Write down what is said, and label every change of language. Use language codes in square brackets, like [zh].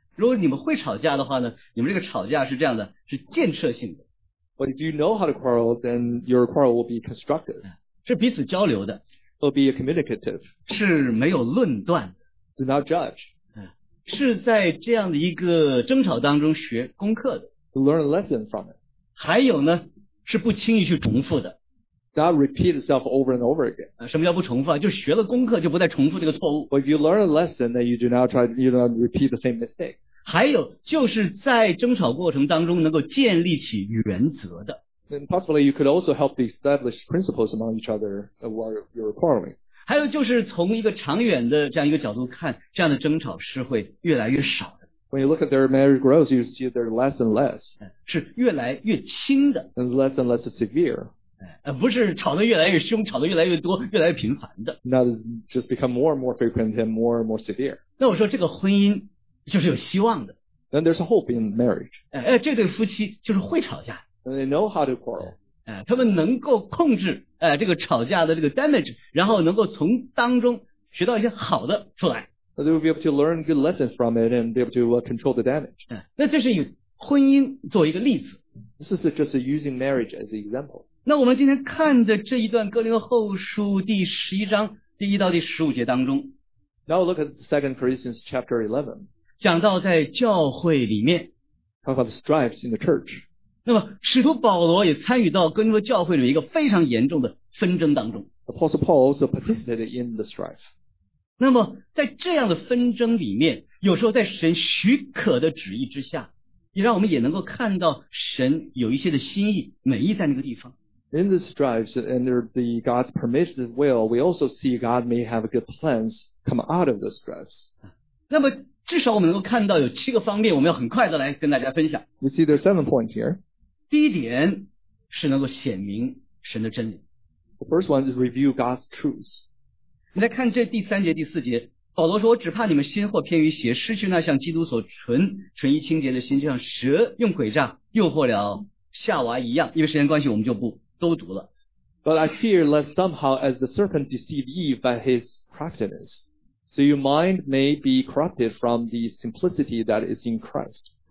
[zh] 如果你们会吵架的话呢，你们这个吵架是这样的，是建设性的。 [en] But if you know how to quarrel, then your quarrel will be constructive. [zh] 是彼此交流的。 [en] Will be communicative. [zh] 是没有论断。 [en] Do not judge. [zh] 是在这样的一个争吵当中学功课的。 [en] To learn a lesson from it. [zh] 还有呢，是不轻易去重复的。 [en] Not repeat itself over and over again. [zh] 什么叫不重复啊？就学了功课就不再重复这个错误。 [en] But if you learn a lesson, then you do not try, you do not repeat the same mistake. [zh] 还有就是在争吵过程当中能够建立起原则的。 [en] And possibly you could also help establish principles among each other while you're quarreling. [zh] 还有就是从一个长远的这样一个角度看，这样的争吵是会越来越少的。 [en] When you look at their marriage grows, you see they're less and less. [zh] 是越来越轻的。 [en] And less and less severe. [zh] 不是吵得越来越凶，吵得越来越多，越来越频繁的。 [en] Now it's just become more and more frequent and more severe. [zh] 那我说这个婚姻就是有希望的。 [en] Then there's a hope in marriage. [zh] 这对夫妻就是会吵架。 [en] And they know how to quarrel. [zh] 他们能够控制这个吵架的这个 damage, 然后能够从当中学到一些好的出来。 [en] So、they will be able to learn good lessons from it and be able to control the damage. [zh] 那这是以婚姻做一个例子。 [en] This is just using marriage as an example. [zh] 那我们今天看的这一段哥林后书第十一章第一到第十五节当中。 [en] Now we'll look at 2 Corinthians chapter 11. [zh] 讲到在教会里面 [en] talk about the strifes in the church. [zh] 那么使徒保罗也参与到跟着教会里面一个非常严重的纷争当中。 [en] Apostle Paul also participated in the strife. [zh] 那么在这样的纷争里面，有时候在神许可的旨意之下，也让我们也能够看到神有一些的心意美意在那个地方。 [en] In the strifes under the God's permitted will, we also see God may have good plans come out of the strifes. [zh] 那么至少我们能够看到有七个方面，我们要很快的来跟大家分享。 [en] You see, there are 7 points here. [zh] 第一点是能够显明神的真理。 [en] The first one is review God's truth. [zh] 你来看这第三节、第四节，保罗说：“我只怕你们心或偏于邪，失去那像基督所纯一清洁的心，就像蛇用诡诈诱惑了夏娃一样。” 因为时间关系，我们就不都读了。 [en] But I fear lest somehow, as the serpent deceived Eve by his craftiness. So your mind may be corrupted from the simplicity that is in Christ.